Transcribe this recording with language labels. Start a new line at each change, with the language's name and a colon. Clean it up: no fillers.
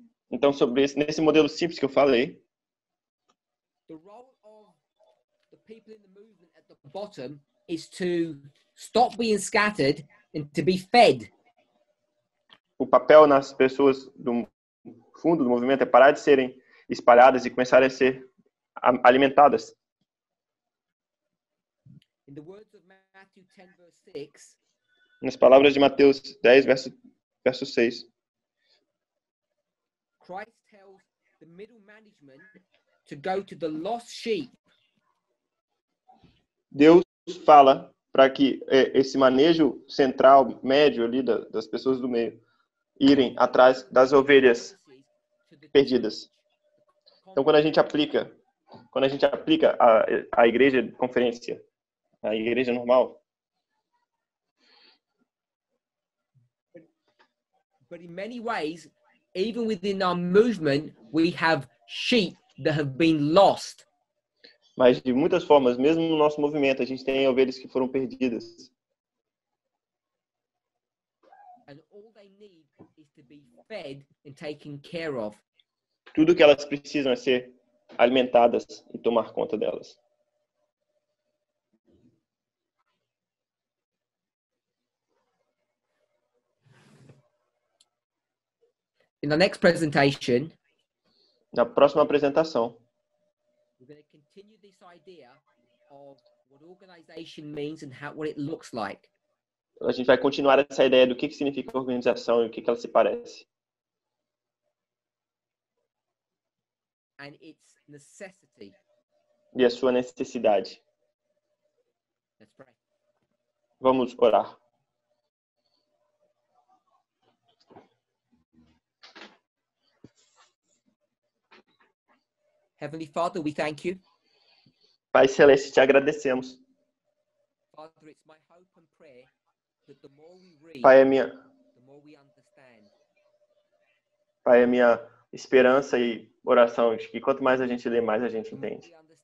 Portuguese: Então, sobre esse, nesse modelo simples que eu falei,
English: the role of the people in the movement at the bottom is to stop being scattered and to be fed.
Portuguese: O papel nas pessoas do fundo do movimento é parar de serem espalhadas e começarem a ser alimentadas.
English: In the words of Matthew 10, verse 6,
Portuguese: nas palavras de Mateus 10, verso 6,
English: Christ tells the middle management to go to the lost sheep.
Portuguese: Deus fala para que esse manejo central, médio ali das pessoas do meio, irem atrás das ovelhas perdidas. Então, quando a gente aplica a igreja de conferência, a igreja normal.
English: But in many ways, even within our movement, we have sheep that have been lost.
Portuguese: Mas de muitas formas, mesmo no nosso movimento, a gente tem ovelhas que foram perdidas.
English: And all they need is to be fed and taken care of.
Portuguese: Tudo que elas precisam é ser alimentadas e tomar conta delas.
English: In the next presentation,
Portuguese: na próxima apresentação,
English: we're going to continue this idea of what organization means and how, what it looks like.
Portuguese: A gente vai continuar essa ideia do que significa organização e o que ela se parece.
English: And its necessity.
Portuguese: E a sua necessidade.
English: Let's pray.
Portuguese: Vamos orar.
English: Heavenly Father, we thank you.
Portuguese: Pai Celeste, te agradecemos.
English: Father, it's my hope and prayer that the more we read,
Portuguese: Pai, é minha...
English: the more we understand.
Portuguese: Pai, é minha esperança e oração, acho que quanto mais a gente lê, mais a gente entende.